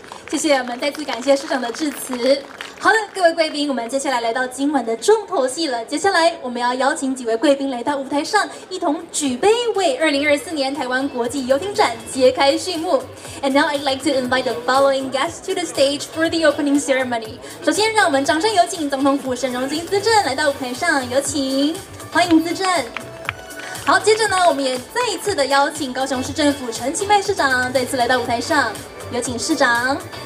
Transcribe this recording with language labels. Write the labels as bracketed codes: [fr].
[zh] 谢谢，我们再次感谢市长的致辞。好的，各位贵宾，我们接下来到今晚的重头戏了。接下来我们要邀请几位贵宾来到舞台上，一同举杯为2024年台湾国际游艇展揭开序幕。 [en] And now I'd like to invite the following guests to the stage for the opening ceremony. [zh] 首先，让我们掌声有请总统府沈荣津资政来到舞台上，有请，欢迎资政。好，接着呢，我们也再一次的邀请高雄市政府陈其迈市长再次来到舞台上，有请市长。